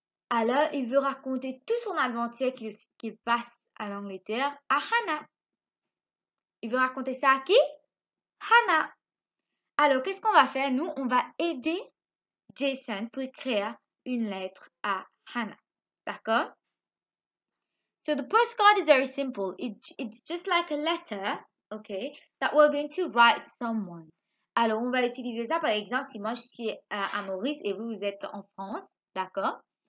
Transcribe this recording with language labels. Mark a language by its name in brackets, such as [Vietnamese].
[French] Alors, il veut raconter tout son aventure qu'il passe à l'Angleterre à Hannah. Il veut raconter ça à qui? Hannah. Alors, qu'est-ce qu'on va faire? Nous, on va aider Jason pour écrire une lettre à Hannah. D'accord? [English] So, the postcard is very simple. It's just like a letter, okay, that we're going to write to someone. [French] Alors, on va utiliser ça, par exemple, si moi, je suis à Maurice et vous êtes en France. D'accord?